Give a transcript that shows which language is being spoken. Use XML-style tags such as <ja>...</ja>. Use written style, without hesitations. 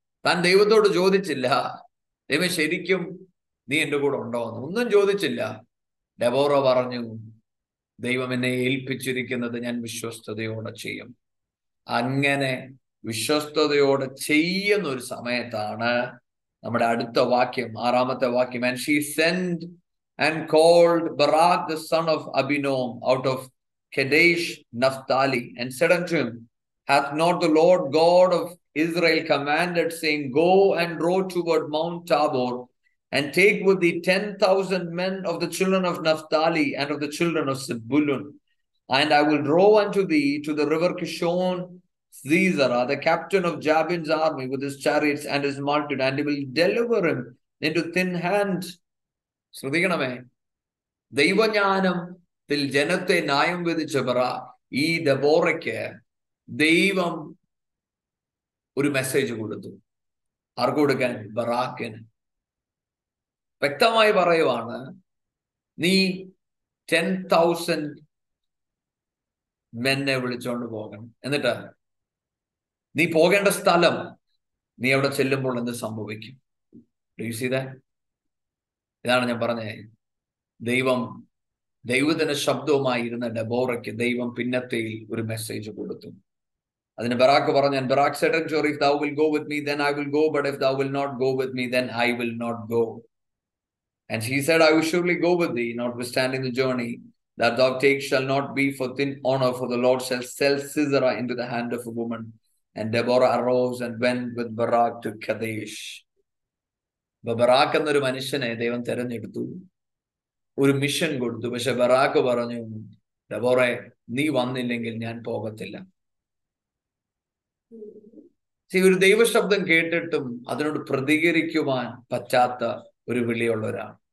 <ml>താൻ ദൈവത്തോട് ചോദിച്ചില്ല, ദൈവം ശരിക്കും നീ എൻ്റെ കൂടെ ഉണ്ടോ എന്ന്. ഒന്നും ചോദിച്ചില്ല. ഡെബോറ പറഞ്ഞു, ദൈവം എന്നെ ഏൽപ്പിച്ചിരിക്കുന്നത് ഞാൻ വിശ്വസ്തതയോടെ ചെയ്യും. അങ്ങനെ വിശ്വസ്തതയോടെ ചെയ്യുന്ന ഒരു സമയത്താണ് നമ്മുടെ അടുത്ത വാക്യം, ആറാമത്തെ വാക്യം.</ml> <en>And she sent and called Barak the son of Abinom out of Kedesh Naphtali and said unto him, Hath not the Lord God of Israel commanded, saying, Go and row toward Mount Tabor and take with thee 10,000 men of the children of Naphtali and of the children of Zebulun. And I will draw unto thee to the river Kishon Sisera, the captain of Jabin's army with his chariots and his multitude, and he will deliver him into thin hands.</en> <ml>ശ്രദ്ധിക്കണമേ, ദൈവജ്ഞാനത്തിൽ ജനത്തെ ന്യായം വിധിച്ചവറ ഈ ദബോറയ്ക്ക് ദൈവം ഒരു message കൊടുത്തു. ആർക്ക് കൊടുക്കാൻ? ബറാക്കിന്. വ്യക്തമായി പറയുവാണ്, നീ 10,000 മെന്നെ വിളിച്ചോണ്ട് പോകണം, എന്നിട്ട് നീ പോകേണ്ട സ്ഥലം, നീ അവിടെ ചെല്ലുമ്പോൾ എന്ത് സംഭവിക്കും?</ml> <en>Do you see that?</en> <ml>ഇതാണ് ഞാൻ പറഞ്ഞത്, ദൈവത്തിന്റെ ശബ്ദവുമായിരുന്ന ഡെബോറയ്ക്ക് ദൈവം പിന്നത്തെയിൽ ഒരു മെസ്സേജ് കൊടുത്തു. അതിന് ബറാക്ക് പറഞ്ഞു,</ml> <en>Barak said to ജോറി, if thou will go with me then I will go, but if thou will not go with me then I will not go. And he said, I will surely go with thee, notwithstanding the journey that thou take shall not be for thin honor, for the Lord shall sell Sisera into the hand of a woman. And Deborah arose and went with Barak to Kadesh.</en> <ml>Barack എന്നൊരു മനുഷ്യനെ ദൈവം തിരഞ്ഞെടുത്തു, ഒരു mission കൊടുത്തു. പക്ഷെ Barack പറഞ്ഞു, Deborah നീ വന്നില്ലെങ്കിൽ ഞാൻ പോകത്തില്ല. ഒരു ദൈവശബ്ദം കേട്ടിട്ടും അതിനോട് പ്രതികരിക്കുവാൻ പറ്റാത്ത ഒരു വിളിയുള്ള ഒരാൾ.</ml>